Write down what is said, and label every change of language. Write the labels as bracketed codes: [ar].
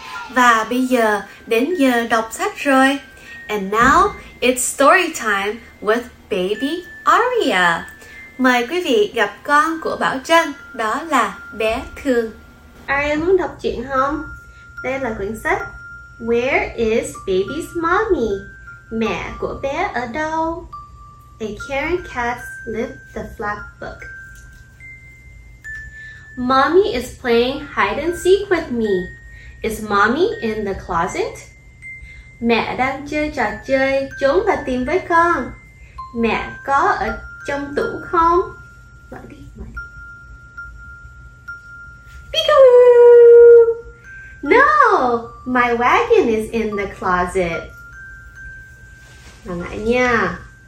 [vi] Và bây giờ đến giờ đọc sách rồi. [en] And now it's story time with baby Aria. [vi] Mời quý vị gặp con của Bảo Trân, đó là bé Thương. Aria muốn đọc chuyện không? Đây là quyển sách Where is baby's mommy? Mẹ của bé ở đâu? A Caring Cat's Lift the Flap Book. [en] Mommy is playing hide and seek with me. Is mommy in the closet? [vi] Mẹ đang chơi trò chơi trốn và tìm với con. Mẹ có ở trong tủ không? Mở đi, mở đi. [en] Peek-a-boo! No, my wagon is in the closet. [vi] Lặng lại nha.